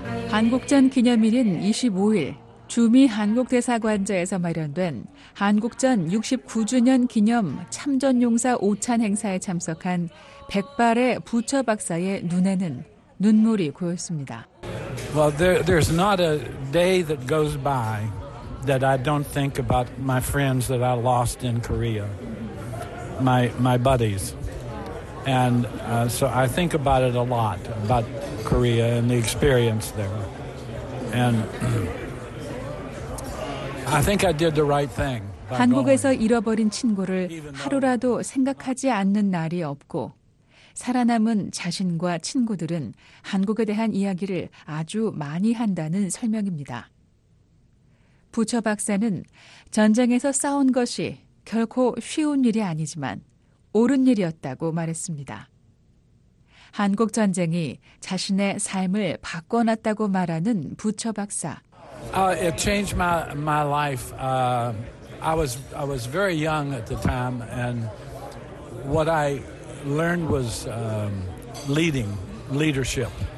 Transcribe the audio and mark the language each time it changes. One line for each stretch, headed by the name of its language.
Korean: 한국전 기념일인 25일 주미 한국대사관저에서 마련된 한국전 69주년 기념 참전용사 오찬 행사에 참석한 백발의 부처 박사의 눈에는 눈물이 고였습니다.
English: Well, there's not a day that goes by that I don't think about my friends that I lost in Korea, my buddies. And so I think about it a lot, about Korea and the experience there. And I think I did the right thing.
Korean: 한국에서 잃어버린 친구를 하루라도 생각하지 않는 날이 없고 살아남은 자신과 친구들은 한국에 대한 이야기를 아주 많이 한다는 설명입니다. 부처 박사는 전쟁에서 싸운 것이 결코 쉬운 일이 아니지만 옳은 일이었다고 말했습니다. 한국 전쟁이 자신의 삶을 바꿔놨다고 말하는 부처 박사.
English: It changed my life. I was very young at the time, and what I learned was leadership.